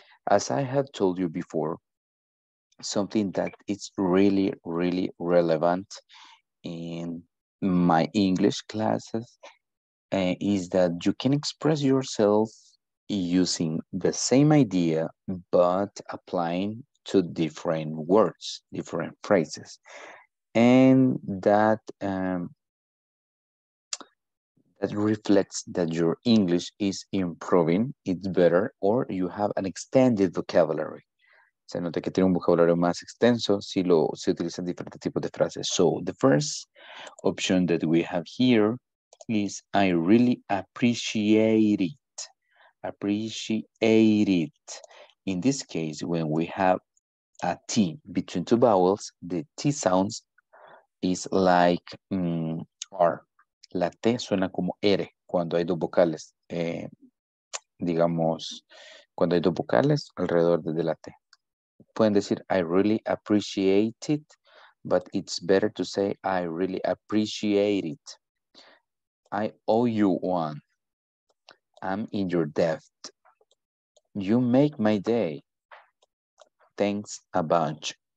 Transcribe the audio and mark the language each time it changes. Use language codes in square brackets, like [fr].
[en] As I have told you before, something that is really, really relevant in my English classes is that you can express yourself using the same idea, but applying to different words, different phrases. And that, that reflects that your English is improving, it's better, or you have an extended vocabulary. [es] Se nota que tiene un vocabulario más extenso si lo si utilizan diferentes tipos de frases. [en] So the first option that we have here is I really appreciate it. Appreciate it. In this case, when we have a T between two vowels, the T sounds is like R. [es] La T suena como R cuando hay dos vocales. Digamos, cuando hay dos vocales alrededor de la T. Pueden decir, [en] I really appreciate it, but it's better to say, I really appreciate it. I owe you one. I'm in your debt. You make my day. Thanks a bunch.